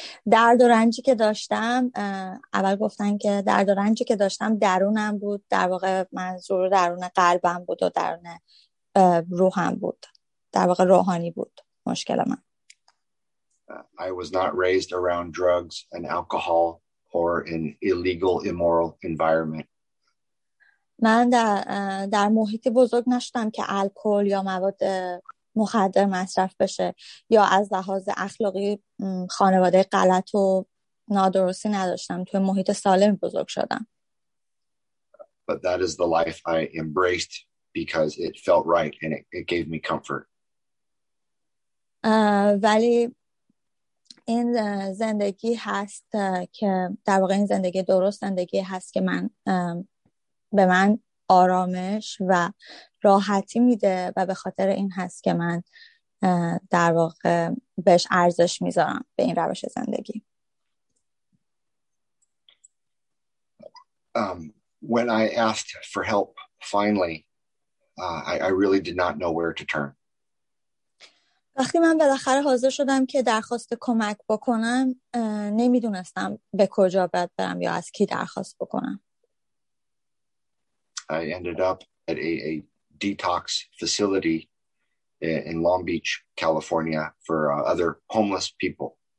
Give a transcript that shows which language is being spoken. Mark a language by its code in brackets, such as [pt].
[fa] درد و رنجی که داشتم اول گفتن که درد و رنجی که داشتم درونم بود، در واقع منظور درون قلبم بود و درون روحم بود، در واقع روحانی بود مشکل من. [en] I was not raised around drugs and alcohol or an illegal, immoral environment. [fa] من در محیطی بزرگ نشدم که الکل یا مواد مخدر مصرف بشه یا از لحاظ اخلاقی خانواده غلط و نادرستی نداشتم، توی محیط سالم بزرگ شدم. [en] But that is the life I embraced because it felt right and it gave me comfort. [fa] ولی این زندگی هست که در واقع این زندگی درست زندگی هست که من به من آرامش و راحتی میده و به خاطر این هست که من در واقع بهش ارزش میذارم، به این روش زندگی. [en] When I asked for help finally, I really did not know where to turn. [fa] وقتی من بالاخره حاضر شدم که درخواست کمک بکنم، نمیدونستم به کجا باید برم یا از کی درخواست بکنم. [en] I ended up at a detox facility in Long Beach, California for other homeless people.